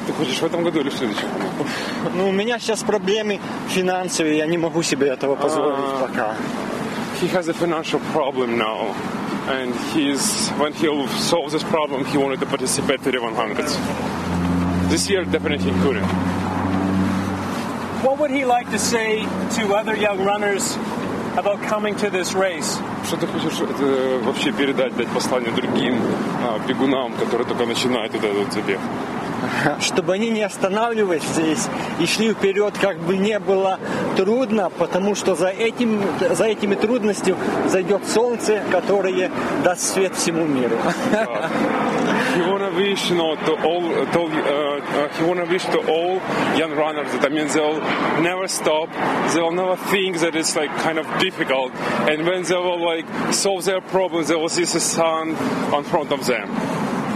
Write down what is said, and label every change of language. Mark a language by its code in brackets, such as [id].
[ru] Ты хочешь в этом году или в следующем? Ну, у меня сейчас проблемы финансовые, я не могу себе этого позволить пока. [en] He has a financial problem now, and he's when he'll solve this problem, he wanted to participate in 3100s. This year definitely couldn't. What would he like to say to other young runners about coming to this race? [ru] Что ты хочешь вообще передать, дать послание другим бегунам, которые только начинают этот забег? Чтобы они не останавливались здесь и шли вперед, как бы не было трудно, потому что за этими трудностями зайдет солнце, которое даст свет всему миру. [en] He wanna wish, you know, to all, he wanna wish to all young runners that, I mean, they'll never stop, they'll never think that it's like kind of difficult, and when they will like solve their problems, they will see the sun in front of them.